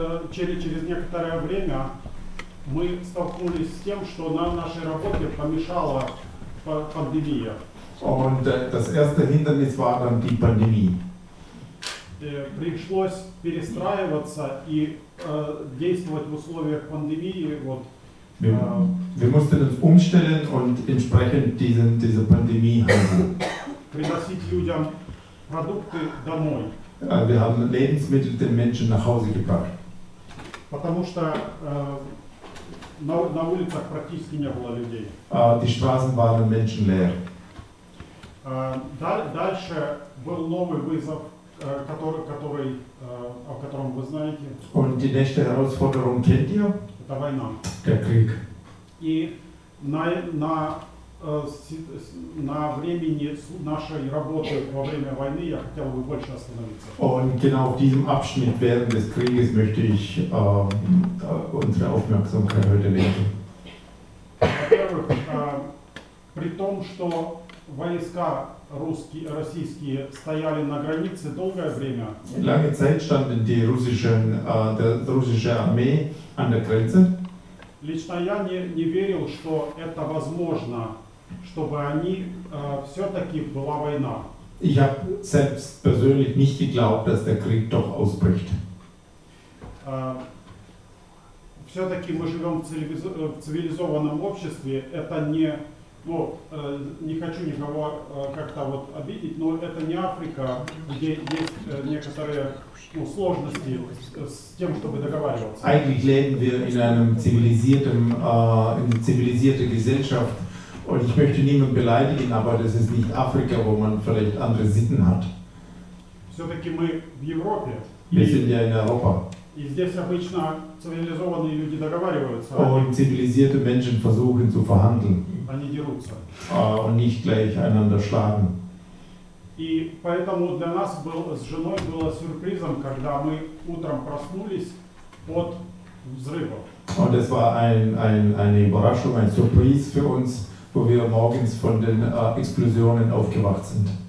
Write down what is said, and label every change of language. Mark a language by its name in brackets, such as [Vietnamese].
[Russian] Через некоторое время мы столкнулись с тем, что на нашей работе помешала пандемия. [German] Und das erste Hindernis war dann die Pandemie. [Russian] Пришлось перестраиваться и действовать в условиях пандемии. Вот. [German] Wir mussten uns umstellen und entsprechend diese Pandemie handeln. [Russian] Приносить людям продукты домой. [German] Wir haben Lebensmittel den Menschen nach Hause gebracht. [Russian] Потому что на улицах практически не было людей. [German] Die Straßen waren menschenleer. [Russian] Дальше был новый вызов, который о котором вы знаете. [German] Und die nächste Herausforderung kennt ihr? [Russian] Это война. [German] Der Krieg. [Russian] И на времени нашей работы во время войны я хотел бы больше остановиться. [German] Und genau auf diesem Abschnitt während des Krieges möchte ich unsere Aufmerksamkeit heute lenken. [Russian] Во-первых, при том, что войска российские стояли на границе долгое время. [German] Lange Zeit standen die russischen russische Armee an der Grenze. [Russian] Лично я не верил, что это возможно. Чтобы они все-таки была война. [German] Ich habe selbst persönlich nicht geglaubt, dass der Krieg doch ausbricht. [Russian] Все-таки мы живем в цивилизованном обществе. Это не хочу никого как-то вот обидеть, но это не Африка, где есть некоторые сложности с тем, чтобы договариваться. [German] Eigentlich leben wir in einem zivilisierten Gesellschaft. Und ich möchte niemanden beleidigen, aber das ist nicht Afrika, wo man vielleicht andere Sitten hat. [Russian] Все-таки мы в Европе. [German] Wir sind ja in Europa. [Russian] И здесь обычно цивилизованные люди договариваются. [German] Und zivilisierte Menschen versuchen zu verhandeln. [Russian] Они дерутся. [German] Und nicht gleich einander schlagen. [Russian] И поэтому для нас с женой было сюрпризом, когда мы утром проснулись от взрыва. [German] Und es war eine Überraschung, ein Surprise für uns, wo wir morgens von den Explosionen aufgewacht sind.